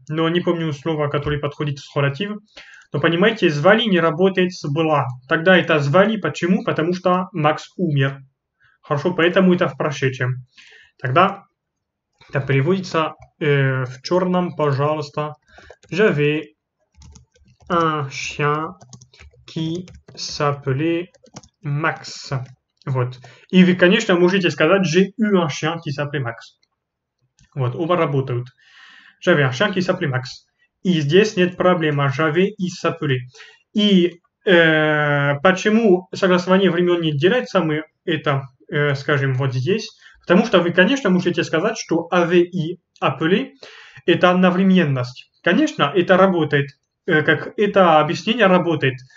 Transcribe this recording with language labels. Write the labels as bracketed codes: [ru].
[ru] Но не помню слова, которое подходит с relative. Но понимаете, звали не работает с была. Тогда это звали. Почему? Потому что Макс умер. Хорошо, поэтому это в прошедшем. Тогда это переводится в черном, пожалуйста. [fr] J'avais un chien qui s'appelait Max. [ru] Вот. И вы, конечно, можете сказать [fr] «J'ai eu un chien qui s'appelait Max». [ru] Вот, оба работают. [fr] J'avais un chien qui s'appelait Max. [ru] И здесь нет проблем. J'avais и s'appelait. И почему согласование времен не делается, мы это скажем вот здесь. Потому что вы, конечно, можете сказать, что avait и appelait – это одновременность. Конечно, это работает. Как это объяснение работает.